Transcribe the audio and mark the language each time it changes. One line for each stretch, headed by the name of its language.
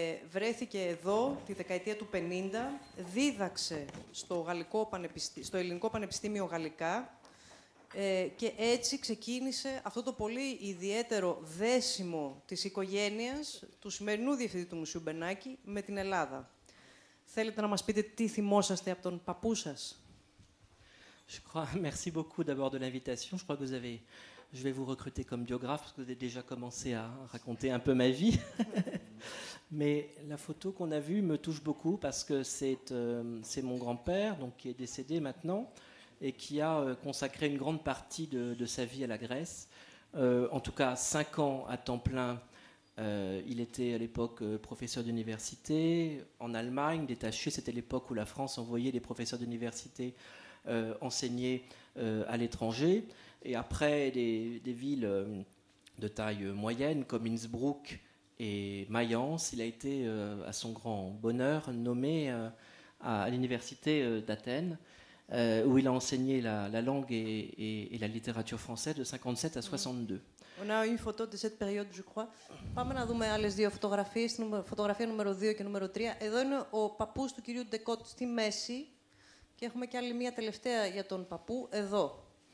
Greek: Βρέθηκε εδώ τη δεκαετία του 50, δίδαξε στο Ελληνικό Πανεπιστήμιο Γαλλικά και έτσι ξεκίνησε αυτό το πολύ ιδιαίτερο δέσιμο της οικογένειας του σημερινού Διευθυντή του Μουσείου Μπενάκη με την Ελλάδα. Θέλετε να μας πείτε τι θυμόσαστε από τον παππού σας?
French: Merci beaucoup d'abord de l'invitation. Je crois que vous avez... Je vais vous recruter comme biographe, parce que vous avez déjà commencé à raconter un peu ma vie. Mais la photo qu'on a vue me touche beaucoup, parce que c'est mon grand-père, donc, qui est décédé maintenant, et qui a consacré une grande partie de sa vie à la Grèce. En tout cas, 5 ans à temps plein, il était à l'époque professeur d'université en Allemagne, détaché. C'était l'époque où la France envoyait des professeurs d'université enseigner à l'étranger. Et après, des villes de taille moyenne, comme Innsbruck et Mayence, il a été, à son grand bonheur, nommé à l'université d'Athènes, où il a enseigné la langue et la littérature française de 57 à 62. On a une photo de cette période, je crois.
Greek: Πάμε να δούμε άλλες δύο φωτογραφίες, φωτογραφία νούμερο 2 και νούμερο 3. Εδώ είναι ο παππούς του κυρίου Ντεκότ στη μέση και έχουμε και άλλη μία τελευταία για τον παππού εδώ.